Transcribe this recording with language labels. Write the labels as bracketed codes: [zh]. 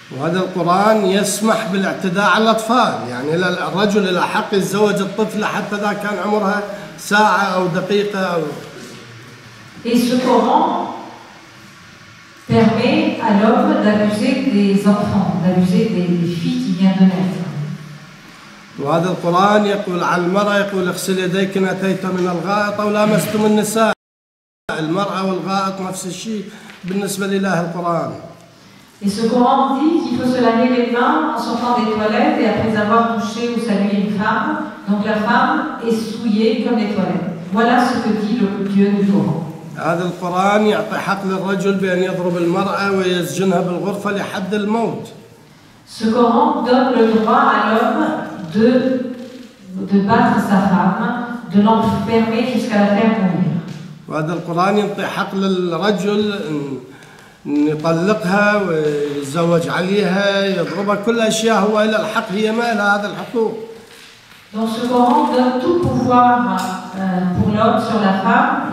[ar] وهذا القرآن يسمح بالاعتداء على الأطفال، يعني الرجل الأحق يتزوج الطفلة حتى إذا كان عمرها ساعة أو دقيقة أو. [fr] Et ce Coran permet à l'homme d'abuser des enfants, d'abuser des filles qui viennent de naître. [ar] وهذا القرآن يقول على المرأة، يقول اغسل يديك إن أتيت من الغائط أو لامستم النساء. المرأة والغائط نفس الشيء بالنسبة لإله القرآن. [fr] Et ce Coran dit qu'il faut se laver les mains en sortant des toilettes et après avoir touché ou salué une femme. Donc la femme est souillée comme les toilettes. Voilà ce que dit le Dieu du Coran. [ar] هذا القرآن يعطي حق للرجل بأن يضرب المرأة ويسجنها بالغرفة لحد الموت. [fr] Ce Coran donne le droit à l'homme de battre sa femme, de l'enfermer jusqu'à la faire mourir. [ar] وهذا القرآن يعطي حق للرجل أن يطلقها ويتزوج عليها يضربها، كل أشياء هو إلى الحق، هي ما إلى هذا الحقوق. [fr] Dans ce Coran, donne tout pouvoir pour l'homme sur la femme.